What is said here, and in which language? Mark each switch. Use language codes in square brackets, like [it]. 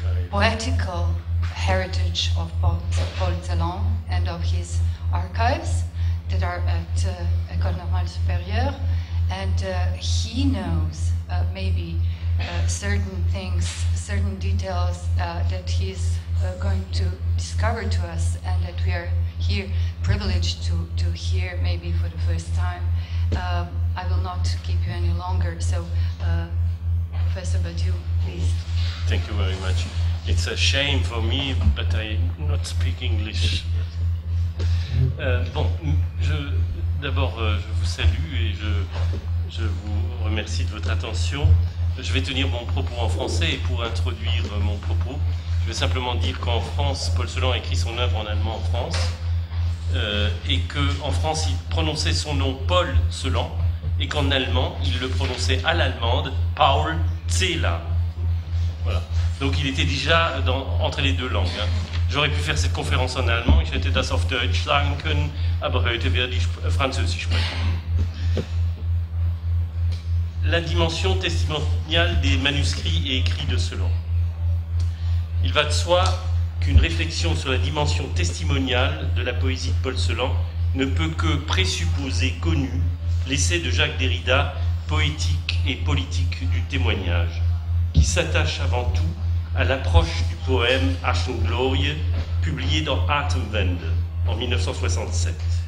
[en] poetical heritage of Paul Celan and of his archives that are at Ecole Normale Supérieure, and he knows maybe certain things, certain details that he's going to discover to us and that we are here privileged to hear maybe for the first time. I will not keep you any longer, so Professor Badiou, please. Thank you very much. It's a shame for me, but I not speak English. [fr] Bon, d'abord, je vous salue et je vous remercie de votre attention. Je vais tenir mon propos en français et pour introduire mon propos, je vais simplement dire qu'en France, Paul Celan a écrit son œuvre en allemand en France et qu'en France, il prononçait son nom Paul Celan et qu'en allemand, il le prononçait à l'allemande Paul Celan. Voilà. Donc il était déjà dans, entre les deux langues. Hein. J'aurais pu faire cette conférence en allemand, [de] ich hätte das auf Deutsch sagen können, [fr] aber heute werde ich Französisch sprechen. La dimension testimoniale des manuscrits et écrits de Celan. Il va de soi qu'une réflexion sur la dimension testimoniale de la poésie de Paul Celan ne peut que présupposer connu l'essai de Jacques Derrida, Poétique et politique du témoignage, qui s'attache avant tout à l'approche du poème Ash and Glory, publié dans Atemwende en 1967.